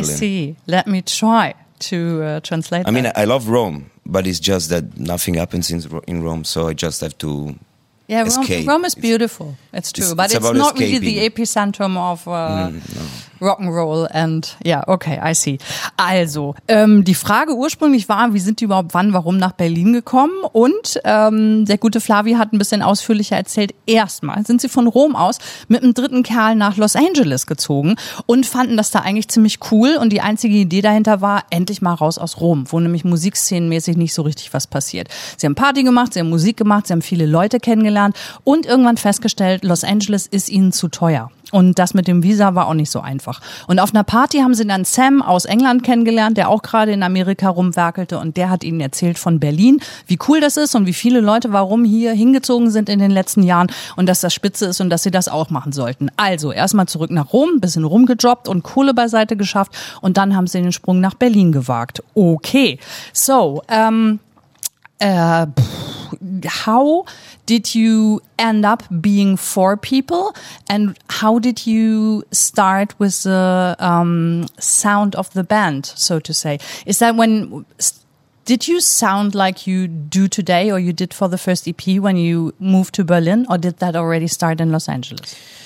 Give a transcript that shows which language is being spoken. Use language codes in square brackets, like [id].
[en] I see. Let me try to translate that. I mean, I love Rome, but it's just that nothing happens in Rome, so I just have to... Yeah, Rome is beautiful, it's true, but it's not escaping. Really the epicentrum of rock and roll and okay, I see. [de] Also, die Frage ursprünglich war, wie sind die überhaupt wann, warum nach Berlin gekommen und der gute Flavi hat ein bisschen ausführlicher erzählt, erstmal sind sie von Rom aus mit einem dritten Kerl nach Los Angeles gezogen und fanden das da eigentlich ziemlich cool und die einzige Idee dahinter war, endlich mal raus aus Rom, wo nämlich musikszenenmäßig nicht so richtig was passiert. Sie haben Party gemacht, sie haben Musik gemacht, sie haben viele Leute kennengelernt und irgendwann festgestellt, Los Angeles ist ihnen zu teuer. Und das mit dem Visa war auch nicht so einfach. Und auf einer Party haben sie dann Sam aus England kennengelernt, der auch gerade in Amerika rumwerkelte. Und der hat ihnen erzählt von Berlin, wie cool das ist und wie viele Leute warum hier hingezogen sind in den letzten Jahren. Und dass das spitze ist und dass sie das auch machen sollten. Also erstmal zurück nach Rom, bisschen rumgejobbt und Kohle beiseite geschafft. Und dann haben sie den Sprung nach Berlin gewagt. [en] Okay, so, how did you end up being four people and how did you start with the sound of the band, so to say? Is that when, did you sound like you do today or you did for the first EP when you moved to Berlin or did that already start in Los Angeles?